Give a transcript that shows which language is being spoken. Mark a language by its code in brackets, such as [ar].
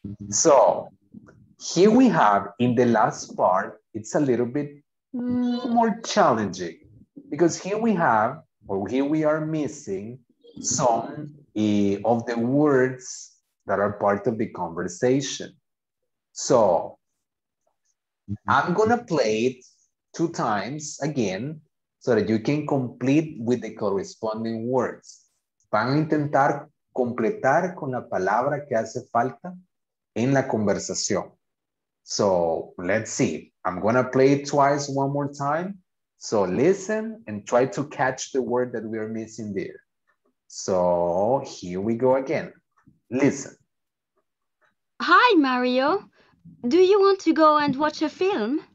[en] So here we have in the last part, it's a little bit more challenging because here we have, or here we are missing some of the words that are part of the conversation. So I'm going to play it two times again so that you can complete with the corresponding words. [es] Van a intentar completar con la palabra que hace falta en la conversación. [en] So let's see. I'm going to play it twice one more time. So listen and try to catch the word that we are missing there. So here we go again. Listen. Hi, Mario. Do you want to go and watch a film?